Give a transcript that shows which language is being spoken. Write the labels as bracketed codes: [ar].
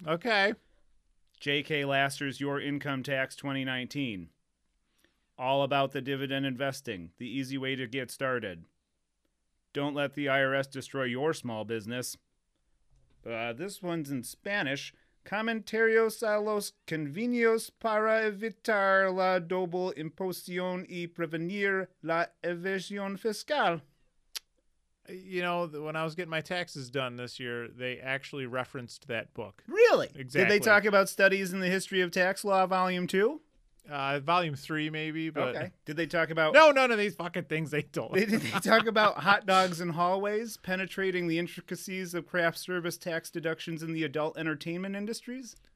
[en] Okay. J.K. Laster's Your Income Tax 2019. All about the dividend investing, the easy way to get started. Don't let the IRS destroy your small business. This one's in Spanish. [es] Comentarios a los convenios para evitar la doble imposición y prevenir la evasión fiscal. [en] You know, when I was getting my taxes done this year, they actually referenced that book. Really? Exactly. Did they talk about Studies in the History of Tax Law, Volume 2? Volume 3, maybe. But... Okay. Did they talk about... No, none of these fucking things they told. Did they talk about hot dogs in hallways, penetrating the intricacies of craft service tax deductions in the adult entertainment industries?